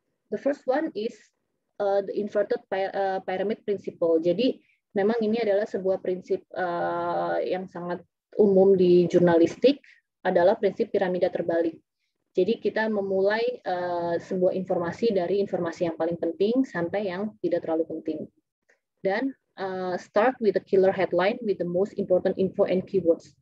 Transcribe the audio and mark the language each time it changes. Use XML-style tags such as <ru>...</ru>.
<en>The first one is the inverted pyramid principle.</en> <id>Jadi memang ini adalah sebuah prinsip yang sangat umum di jurnalistik, adalah prinsip piramida terbalik. Jadi kita memulai sebuah informasi dari informasi yang paling penting sampai yang tidak terlalu penting.</id> <en>Dan start with a killer headline with the most important info and keywords.</en>